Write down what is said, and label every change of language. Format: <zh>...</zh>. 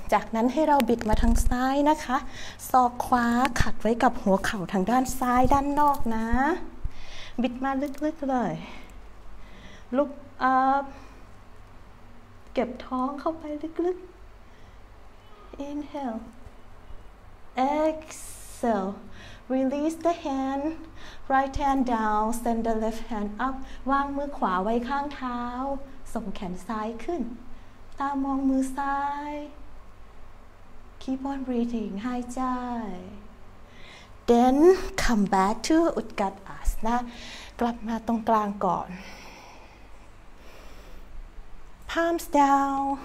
<th>จากนั้นให้เราบิดมาทางซ้ายนะคะศอกขวาขัดไว้กับหัวเข่าทางด้านซ้ายด้านนอกนะบิดมาลึกๆเลย</th> <en>Look up.</en> <th>เก็บท้องเข้าไปลึกๆ Inhale.</th> <en>Exhale. Release the hand, right hand down, send the left hand up.</en> <th>วางมือขวาไว้ข้างเท้าส่งแขนซ้ายขึ้นตามองมือซ้าย</th> <en>Keep on breathing,</en> <th>หายใจ</th> <en>Then come back to Utkatasana.</en> <th>กลับมาตรงกลางก่อน</th> <en>Palms down.</en>